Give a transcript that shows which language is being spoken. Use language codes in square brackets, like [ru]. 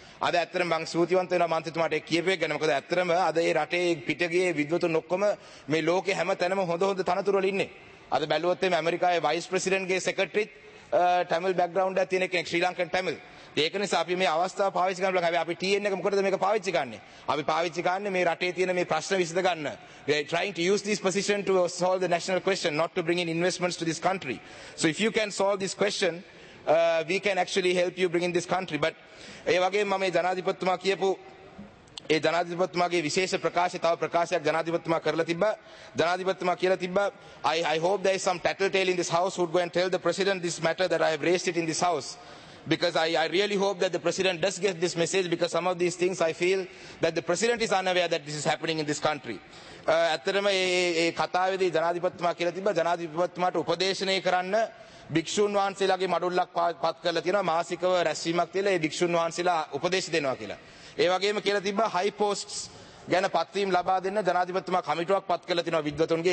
[si] අද ඇත්තටම මං ස්තුතිවන්ත වෙනවා මන්ත්‍රීතුමාට ඒ කියපේ ගැන. මොකද ඇත්තටම අද මේ රටේ පිටගියේ විද්වතුන් ඔක්කොම මේ ලෝකේ හැම තැනම හොඳ හොඳ තනතුරු වල ඉන්නේ. අද බැලුවොත් එමේ ඇමරිකාවේ වයිස් ප්‍රෙසිඩන්ට් ගේ සෙක්‍රටරිත් තමිල් බෑග්ග්‍රවුන්ඩ් එකක් තියෙන කෙනෙක්, ශ්‍රී ලංකන් තමිල්. ඒක නිසා අපි මේ අවස්ථාව පාවිච්චි කරන්න බලන්න. අපි TN එක මොකටද මේක පාවිච්චි ගන්නෙ? අපි පාවිච්චි ගන්නෙ මේ රටේ තියෙන මේ ප්‍රශ්න විසඳ ගන්න. [en] We are trying to use this position to solve the national question, not to bring in investments to this country. So if you can solve this question, we can actually help you bring in this country. [si] But ඒ වගේම මම මේ ජනාධිපතිතුමා කියපු ඒ ජනාධිපතිතුමාගේ විශේෂ ප්‍රකාශය තව ප්‍රකාශයක් ජනාධිපතිතුමා කරලා තිබ්බා. ජනාධිපතිතුමා කියලා තිබ්බා [en] I hope there is some tattletale in this house who would go and tell the president this matter that I have raised it in this house, because I really hope that the president does get this message, because some of these things I feel that the president is unaware that this is happening in this country. [si] ඇත්තටම ඒ කතාවේදී ජනාධිපතිතුමා කියලා තිබ්බා ජනාධිපතිතුමාට උපදේශනය කරන්න භික්ෂුන් වහන්සේලාගේ මඩොල්ලක් පත් කරලා තියෙනවා, මාසිකව රැස්වීමක් තියලා ඒ භික්ෂුන් වහන්සේලා උපදේශ දෙනවා කියලා. ඒ වගේම කියලා තිබ්බා හයි පෝස්ට්ස් ගැන පත්වීම් ලබා දෙන්න ජනාධිපතිතුමා කමිටුවක් පත් කරලා තිනවා විද්වතුන්ගේ.